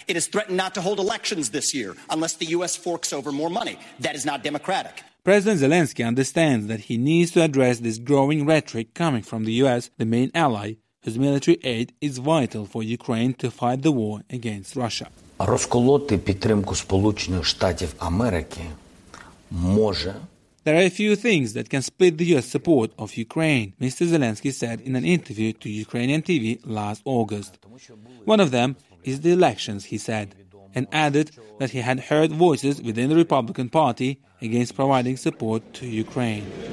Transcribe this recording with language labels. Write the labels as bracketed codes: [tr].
[en] It is threatened not to hold elections this year unless the US forks over more money. That is not democratic. President Zelensky understands that he needs to address this growing rhetoric coming from the US, the main ally, whose military aid is vital for Ukraine to fight the war against Russia. [uk] Розколоти підтримку Сполучених Штатів Америки може. [en] There are a few things that can split the US support of Ukraine, Mr. Zelensky said in an interview to Ukrainian TV last August. One of them is the elections, he said, and added that he had heard voices within the Republican Party against providing support to Ukraine.